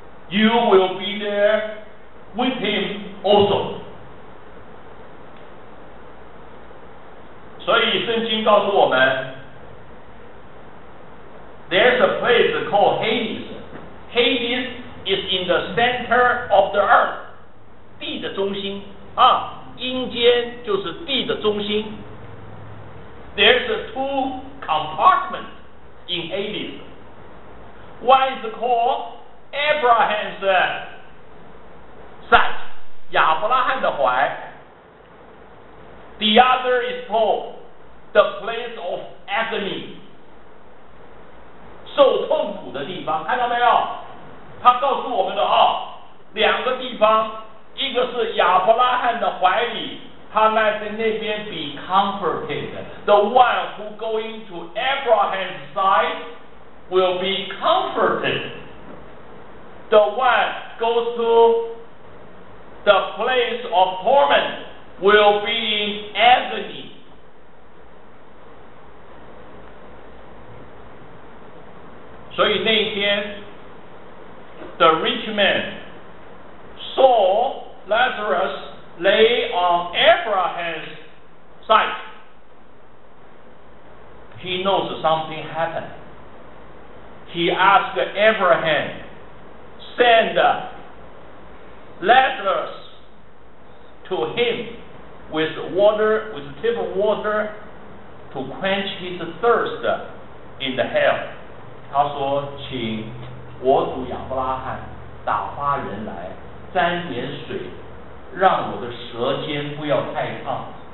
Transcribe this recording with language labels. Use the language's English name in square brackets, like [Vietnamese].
[English] you will be there with him also. [Chinese] 所以圣经告诉我们 [English] There's a place called Hades. Hades is in the center of the earth. [Chinese] 地的中心啊，阴间就是地的中心。 [English] There's a two compartments in Hades. One is called Abraham's side, [Chinese] 亚伯拉罕的怀。 [English] The other is called the place of agony, [Chinese] 受痛苦的地方。看到没有？他告诉我们的啊，两个地方，一个是亚伯拉罕的怀里。他来在那边 [English] be comforted. The one who going to Abraham's side will be comforted. The one goes to the place of torment will be in agony. [Chinese] 所以那天 [English] the rich man saw Lazarus. Lay on Abraham's side. He knows something happened. He asked Abraham, send Lazarus to him with water, with a tip of water to quench his thirst in the hell. [Chinese] 他说请我主亚伯拉罕打发人来沾点水让我的舌尖不要太烫。